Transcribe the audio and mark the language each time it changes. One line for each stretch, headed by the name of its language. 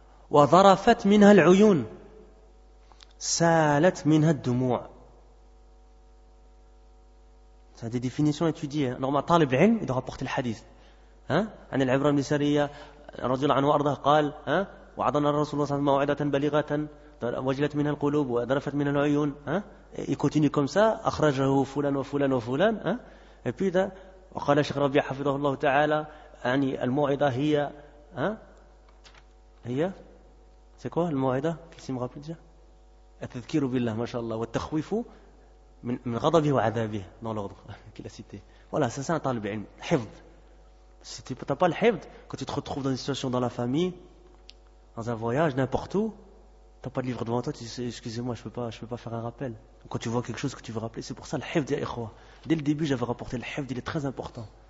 Arabic: وَظَرَفَتْ مِنْهَا الْعُيُونَ سَالَتْ مِنْهَا الدُّمُوعَ.
French: C'est des définitions étudiées. Normalement, Talib Ibn, il doit rapporter le hadith. Hein?
Arabic: عن العبرة بن سرية رضي الله عنه وأرضاه قال وعظنا الرسول صلى الله عليه وسلم موعدة بليغة وجلت منها القلوب وذرفت منها العيون.
French: Il continue comme ça.
Arabic: أخرجه فلان وفلان وفلان.
French: Et puis, là,
Arabic: وقال الشيخ ربيع حفظه الله تعالى يعني الموعدة هي هي
French: c'est quoi
Arabic: الموعدة
French: qui s'y me rappelle déjà
Arabic: التذكير بالله ما شاء الله والتخويف من غضبه وعذابه
French: dans l'ordre qu'il a cité. Voilà, c'est ça un talib ilm, hifd. Si tu n'as pas le hifd, quand tu te retrouves dans une situation dans la famille, dans un voyage, n'importe où, tu n'as pas de livre devant toi, tu dis excusez-moi, je peux pas faire un rappel. Quand tu vois quelque chose que tu veux rappeler, c'est pour ça le hifd, ya ikhwa. Dès le début, j'avais rapporté le hifd, il est très important.